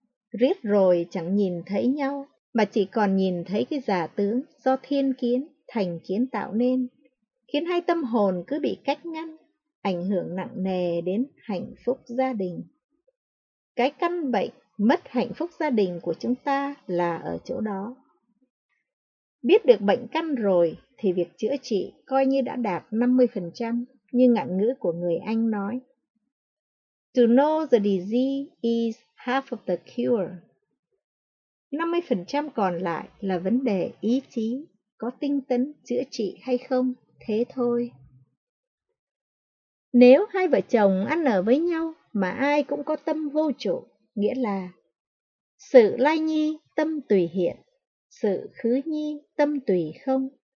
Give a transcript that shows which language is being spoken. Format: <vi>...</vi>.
<vi>Riết rồi chẳng nhìn thấy nhau, mà chỉ còn nhìn thấy cái giả tướng do thiên kiến, thành kiến tạo nên, khiến hai tâm hồn cứ bị cách ngăn, ảnh hưởng nặng nề đến hạnh phúc gia đình. Cái căn bệnh mất hạnh phúc gia đình của chúng ta là ở chỗ đó. Biết được bệnh căn rồi thì việc chữa trị coi như đã đạt 50%, như ngạn ngữ của người Anh nói.</vi> <en>To know the disease is half of the cure.</en> <vi>50% còn lại là vấn đề ý chí, có tinh tấn chữa trị hay không, thế thôi. Nếu hai vợ chồng ăn ở với nhau mà ai cũng có tâm vô trụ, nghĩa là sự lai nhi tâm tùy hiện, sự khứ nhi tâm tùy không.</vi>